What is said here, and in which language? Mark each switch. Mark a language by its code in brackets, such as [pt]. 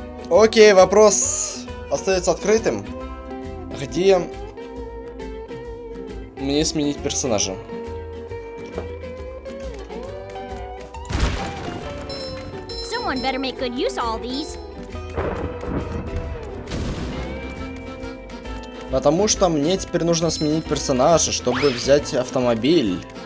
[ru] Окей, вопрос остается открытым. Где мне сменить персонажа? [en] Someone better make good use of all these. [ru] Потому что мне теперь нужно сменить персонажа, чтобы взять автомобиль.